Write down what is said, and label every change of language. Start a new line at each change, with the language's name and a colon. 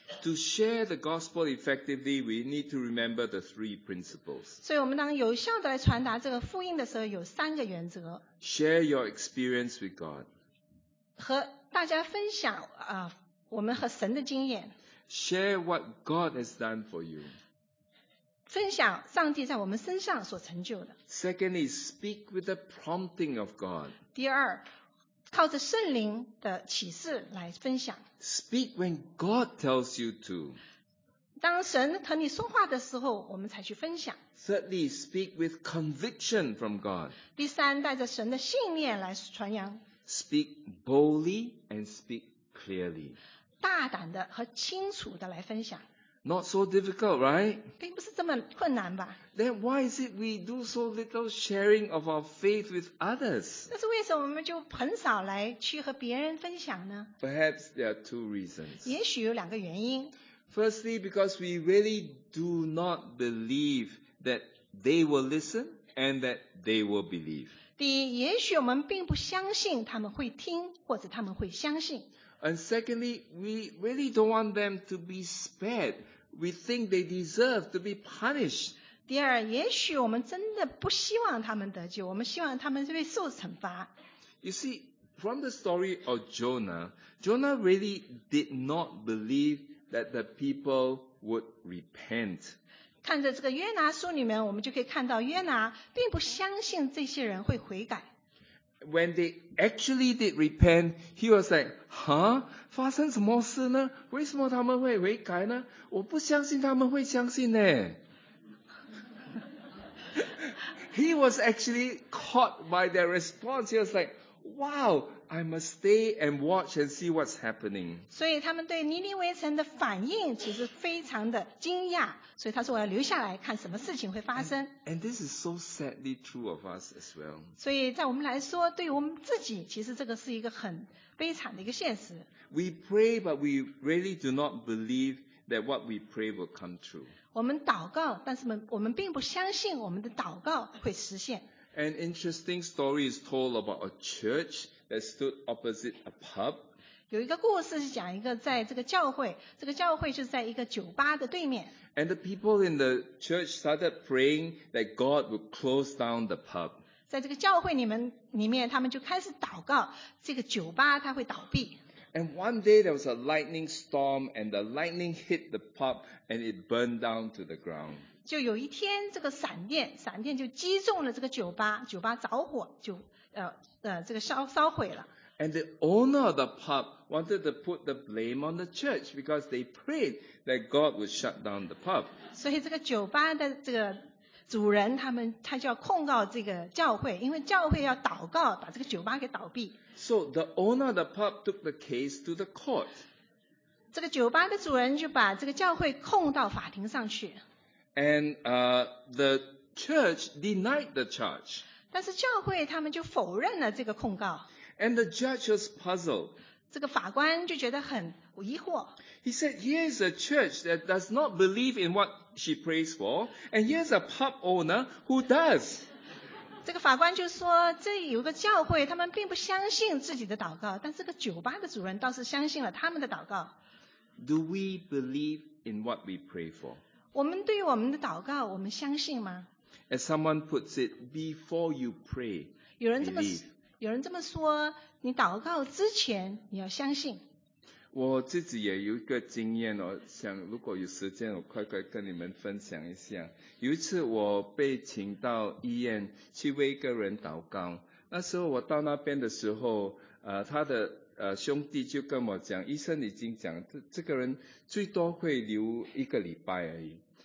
English: To share the gospel effectively, we need to remember the three principles.
Chinese: 所以我们当有效地来传达这个福音的时候，有三个原则。
English: Share your experience with God.
Chinese: 和大家分享我们和神的经验。
English: Share what God has done for you.
Chinese: 分享上帝在我们身上所成就的。
English: Secondly, speak with the prompting of God.
Chinese: 第二，靠着圣灵的启示来分享。
English: Speak when God tells you to.
Chinese: 当神和你说话的时候，我们才去分享。
English: Thirdly, speak with conviction from God.
Chinese: 第三，带着神的信念来传扬。
English: Speak boldly and speak clearly.
Chinese: 大胆的和清楚的来分享。
English: Not so difficult, right?
Chinese: 并不是这么困难吧。
English: Then why is it we do so little sharing of our faith with others?
Chinese: 那是为什么我们就很少来去和别人分享呢？
English: Perhaps there are two reasons.
Chinese: 也许有两个原因。
English: Firstly, because we really do not believe that they will listen and that they will believe.
Chinese: 第一，也许我们并不相信他们会听，或者他们会相信。
English: And secondly, we really don't want them to be spared. We think they deserve to be punished.
Chinese: 第二，也许我们真的不希望他们得救，我们希望他们被受惩罚。
English: You see, from the story of Jonah, Jonah really did not believe that the people would repent.
Chinese: 看着这个约拿书里面，我们就可以看到约拿并不相信这些人会悔改。
English: When they actually did repent, he was like, huh?
Chinese: 发生什么事呢？为什么他们会悔改呢？我不相信他们会相信呢。
English: He was actually caught by their response. He was like, wow, I must stay and watch and see what's happening.
Chinese: 所以他们对尼尼微城的反应其实非常的惊讶，所以他说我要留下来看什么事情会发生。
English: And this is so sadly true of us as well.
Chinese: 所以在我们来说，对我们自己，其实这个是一个很悲惨的一个现实。
English: We pray, but we really do not believe that what we pray will come true.
Chinese: 我们祷告，但是我们并不相信我们的祷告会实现。
English: An interesting story is told about a church that stood opposite a pub.
Chinese: 有一个故事是讲一个在这个教会，这个教会就是在一个酒吧的对面。
English: And the people in the church started praying that God would close down the pub.
Chinese: 在这个教会里面，他们就开始祷告，这个酒吧它会倒闭。
English: And one day there was a lightning storm, and the lightning hit the pub, and it burned down to the ground.
Chinese: 就有一天，这个闪电就击中了这个酒吧着火，这个烧毁了。
English: And the owner of the pub wanted to put the blame on the church because they prayed that God would shut down the pub.
Chinese: 所以这个酒吧的这个主人他就要控告这个教会，因为教会要祷告把这个酒吧给倒闭。
English: So the owner of the pub took the case to the court.
Chinese: 这个酒吧的主人就把这个教会控到法庭上去。
English: And the church denied the charge.
Chinese: 但是教会他们就否认了这个控告。
English: And the judge was puzzled.
Chinese: 这个法官就觉得很疑惑。
English: He said, here is a church that does not believe in what she prays for, and here's a pub owner who does.
Chinese: 这个法官就说，这有个教会，他们并不相信自己的祷告，但这个酒吧的主人倒是相信了他们的祷告。
English: Do we believe in what we pray for?
Chinese: 我们对我们的祷告，我们相信吗？
English: As someone puts it, before you pray, believe.
Chinese: 有人这么说，你祷告之前，你要相信。我自己也有一个经验，我想如果有时间我快快跟你们分享一下。有一次我被请到医院去为一个人祷告，那时候我到那边的时候，他的兄弟就跟我讲，医生已经讲这个人最多会留一个礼拜而已。